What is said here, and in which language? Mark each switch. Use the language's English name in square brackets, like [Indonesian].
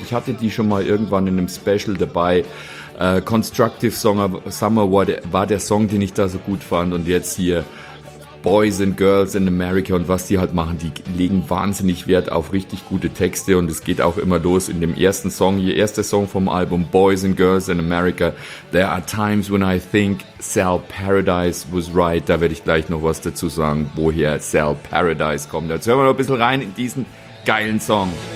[German] Ich hatte die schon mal irgendwann in einem Special dabei. Constructive Summer war der Song, den ich da so gut fand. Und jetzt hier Boys and Girls in America und was die halt machen, die legen wahnsinnig Wert auf richtig gute Texte. Und es geht auch immer los in dem ersten Song, hier erster Song vom Album Boys and Girls in America. [English] There are times when I think Sal Paradise was right. [German] Da werde ich gleich noch was dazu sagen, woher Sal Paradise kommt. Jetzt hören wir noch ein bisschen rein in diesen geilen Song.